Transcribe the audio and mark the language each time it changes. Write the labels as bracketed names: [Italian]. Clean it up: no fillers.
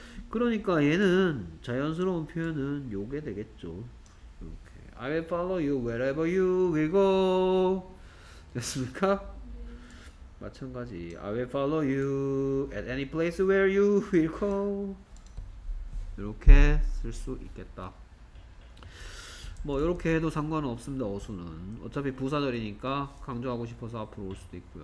[Korean] 그러니까 얘는 자연스러운 표현은 요게 되겠죠. 이렇게 [English] I will follow you wherever you will go. [Korean] 됐습니까? 마찬가지. [English] I will follow you at any place where you will go. [Korean] 이렇게 쓸 수 있겠다. 뭐 이렇게 해도 상관은 없습니다. 어수는 어차피 부사절이니까 강조하고 싶어서 앞으로 올 수도 있고요.